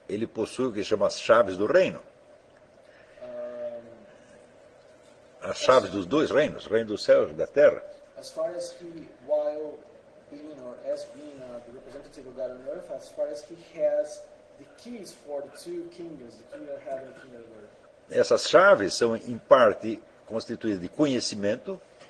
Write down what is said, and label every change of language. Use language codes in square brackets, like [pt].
[pt] ele possui o que chama as chaves do reino. as chaves dos dois reinos, reino dos céus e da terra. [en] As far as he, while being or as being the representative of God on earth, as far as he has the keys for the two kingdoms, the kingdom of heaven and the kingdom of earth. [pt] Essas chaves são, em parte, constituídas de conhecimento.